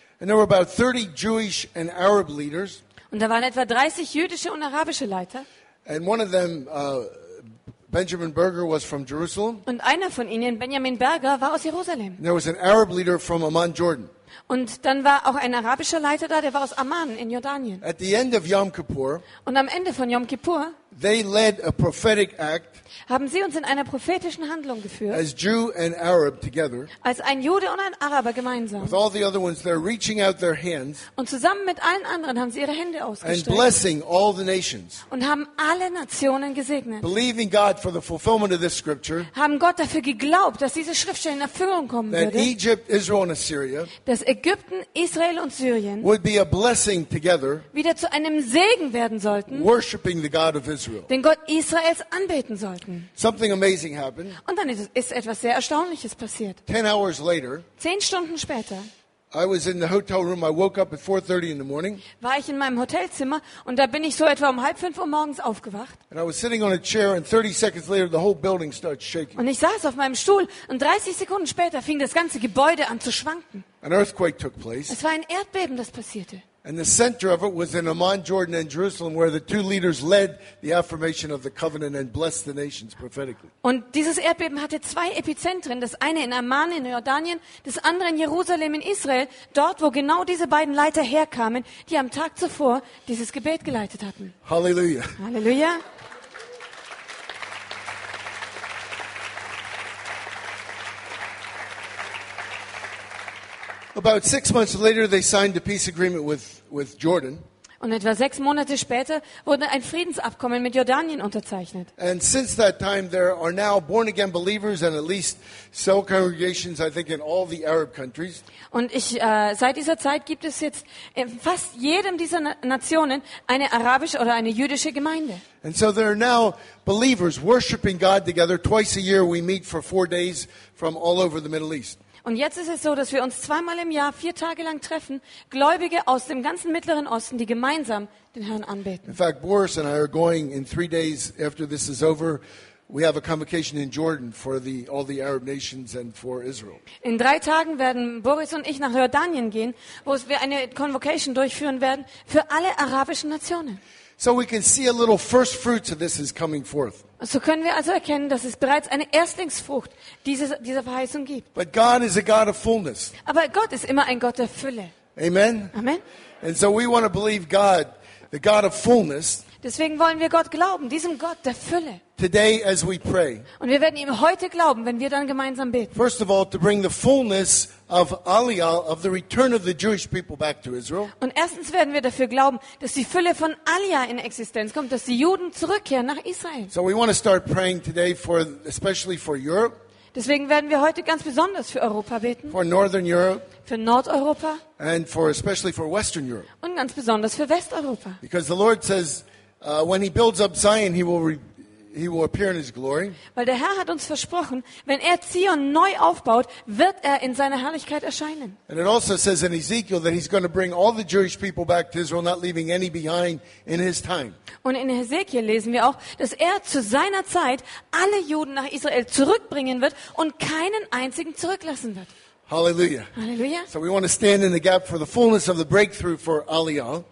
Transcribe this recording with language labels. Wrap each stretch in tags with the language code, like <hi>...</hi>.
<en>And there were about 30 Jewish and Arab leaders.</en> <de>Und da waren etwa 30 jüdische und arabische Leiter.</de> <en>And one of them, Benjamin Berger was from Jerusalem.</en> <de>Und einer von ihnen, Benjamin Berger, war aus Jerusalem.</de> <en>And there was an Arab leader from Amman, Jordan.</en> <de>Und dann war auch ein arabischer Leiter da, der war aus Amman in Jordanien.</de> <en>At the end of Yom Kippur,</en> <de>und am Ende von Yom Kippur,</de> <en>they led a prophetic act,</en> <de>haben sie uns in einer prophetischen Handlung geführt,</de> <en>as Jew and Arab together,</en> <de>als ein Jude und ein Araber gemeinsam,</de> <en>with all the other ones, they're reaching out their hands,</en> <de>und zusammen mit allen anderen haben sie ihre Hände ausgestreckt,</de> <en>and blessing all the nations,</en> <de>und haben alle Nationen gesegnet,</de> <en>believing God for the fulfillment of this scripture,</en> <de>haben Gott dafür geglaubt, dass diese Schriftstelle in Erfüllung kommen</de> <en>that</en> <de>würde,</de> <en>Egypt, Israel and Assyria,</en> <de>dass Ägypten, Israel und Syrien</de> <en>would be a blessing together,</en> <de>wieder zu einem Segen werden sollten,</de> <en>worshiping the God of Israel,</en> <de>den Gott Israels anbeten sollten.</de> <en>Something amazing happened.</en> <de>Und dann ist etwas sehr Erstaunliches passiert.</de> <en>10 hours later,</en> <de>10 Stunden später,</de> <en>I was in the hotel room. I woke up at 4:30 in the morning.</en> <de>War ich in meinem Hotelzimmer und da bin ich so etwa um 4:30 morgens aufgewacht.</de> <en>And I was sitting on a chair, and 30 seconds later, the whole building starts shaking.</en> <de>Und ich saß auf meinem Stuhl und 30 Sekunden später fing das ganze Gebäude an zu schwanken.</de> <en>An earthquake took place.</en> <de>Es war ein Erdbeben, das passierte.</de> <en>And the center of it was in Amman, Jordan, and Jerusalem, where the two leaders led the affirmation of the covenant and blessed the nations prophetically.</en> <de>Und dieses Erdbeben hatte zwei Epizentren, das eine in Amman in Jordanien, das andere in Jerusalem in Israel, dort wo genau diese beiden Leiter herkamen, die am Tag zuvor dieses Gebet geleitet hatten.</de> <en>Hallelujah.</en> <de>Hallelujah.</de> <en>About 6 months later, they signed a peace agreement with Jordan.</en> <de>Und etwa 6 Monate später wurde ein Friedensabkommen mit Jordanien unterzeichnet.</de> <en>And since that time, there are now born again believers and at least cell congregations, I think, in all the Arab countries.</en> <de>Und seit dieser Zeit gibt es jetzt in fast jedem dieser Nationen eine arabische oder eine jüdische Gemeinde.</de> <en>And so there are now believers worshiping God together. Twice a year, we meet for 4 days from all over the Middle East.</en> <de>Und jetzt ist es so, dass wir uns zweimal im Jahr 4 Tage lang treffen, Gläubige aus dem ganzen Mittleren Osten, die gemeinsam den Herrn anbeten.</de> <en>In fact, Boris and I are going in 3 days after this is over. We have a convocation in Jordan for all the Arab nations and for Israel.</en> <de>In 3 Tagen werden Boris und ich nach Jordanien gehen, wo wir eine Convocation durchführen werden für alle arabischen Nationen.</de> <en>So we can see a little first fruits of this is coming forth.</en> <de>So können wir also erkennen, dass es bereits eine Erstlingsfrucht dieser Verheißung gibt.</de> <en>But God is a God of fullness.</en> <de>Aber Gott ist immer ein Gott der Fülle.</de> <en>Amen.</en> <de>Amen.</de> <en>And so we want to believe God, the God of fullness.</en> <de>Deswegen wollen wir Gott glauben, diesem Gott der Fülle.</de> <en>Today as we pray.</en> <de>Und wir werden ihm heute glauben, wenn wir dann gemeinsam beten.</de> <en>First of all, to bring the fullness of Aliyah, of the return of the Jewish people back to Israel.</en> <de>Und erstens werden wir dafür glauben, dass die Fülle von Aliyah in Existenz kommt, dass die Juden zurückkehren nach Israel.</de> <en>So we want to start praying today for, especially for Europe.</en> <de>Deswegen werden wir heute ganz besonders für Europa beten.</de> <en>For Northern Europe.</en> <de>Für Nordeuropa.</de> <en>And for especially for Western Europe.</en> <de>Und ganz besonders für Westeuropa.</de> <en>Because the Lord says, when he builds up Zion, he will re- he will appear in his glory.</en> <de>Weil der Herr hat uns versprochen, wenn er Zion neu aufbaut, wird er in seiner Herrlichkeit erscheinen.</de> <en>And it also says in Ezekiel that he's going to bring all the Jewish people back to Israel, not leaving any behind in his time.</en> <de>Und in Ezekiel lesen wir auch, dass er zu seiner Zeit alle Juden nach Israel zurückbringen wird und keinen einzigen zurücklassen wird.</de> <en>Hallelujah.</en> <de>Hallelujah.</de> <en>So we want to stand in the gap for the fullness of the breakthrough for Aliyah.</en>